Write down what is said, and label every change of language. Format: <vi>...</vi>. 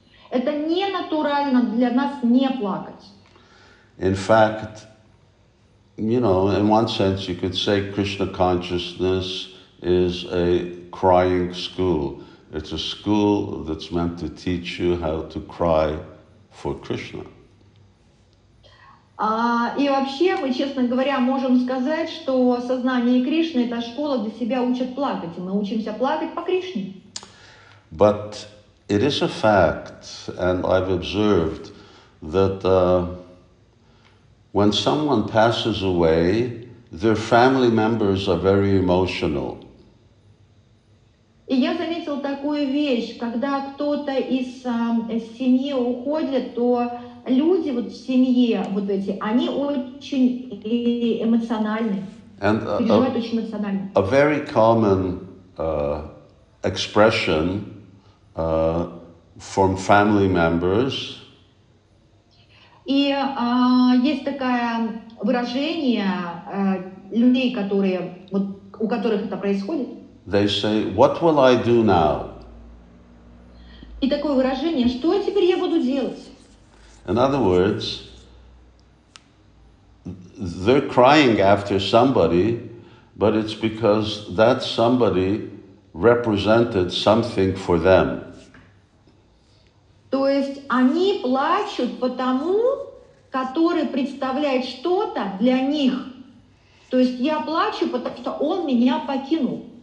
<ru>Это не натурально для нас не плакать.</ru> <en>In fact, you know, in one sense you could say Krishna consciousness is a crying school. It's a school that's meant to teach you how to cry for Krishna.</en> <ru>И вообще, мы, честно говоря, можем сказать, что сознание Кришны — это школа, где себя учат плакать, и мы учимся плакать по Кришне.</ru> <en>But it is a fact, and I've observed, that when someone passes away, their family members are very emotional.</en> <ru>И я заметил такую вещь, когда кто-то из семьи уходит, то люди вот в семье, вот эти, они очень эмоциональны, переживают очень эмоционально.</ru> <en>A very common expression from family members.</en> <ru>И есть такое выражение людей, которые вот у которых это происходит.</ru> <en>They say, "What will I do now?"</en> <ru>И такое выражение: что теперь я буду делать?</ru> <en>In other words, they're crying after somebody, but it's because that somebody represented something for them.</en> <ru>То есть они плачут потому, который представляет что-то для них. То есть я плачу, потому что он меня покинул.</ru>